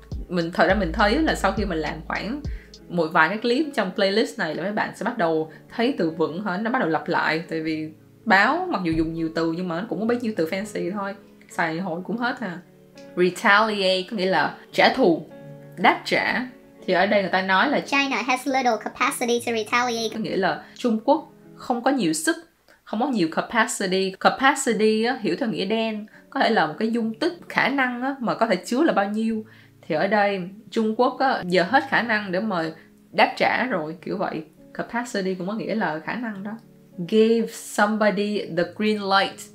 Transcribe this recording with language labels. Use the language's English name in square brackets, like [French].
[Vietnamese] Mình thật ra mình thấy là sau khi mình làm khoảng một vài cái clip trong playlist này là mấy bạn sẽ bắt đầu thấy từ vựng hả, nó bắt đầu lặp lại, tại vì báo mặc dù dùng nhiều từ nhưng mà nó cũng có bấy nhiêu từ fancy thôi, xài hồi cũng hết ha. Retaliate có nghĩa là trả thù, đáp trả. Thì ở đây người ta nói là [English] China has little capacity to retaliate, [Vietnamese] có nghĩa là Trung Quốc không có nhiều sức, không có nhiều capacity. Capacity á, hiểu theo nghĩa đen, có thể là một cái dung tích, khả năng á, mà có thể chứa là bao nhiêu. Thì ở đây Trung Quốc á, giờ hết khả năng để mà đáp trả rồi, kiểu vậy. Capacity cũng có nghĩa là khả năng đó. [English] Give somebody the green light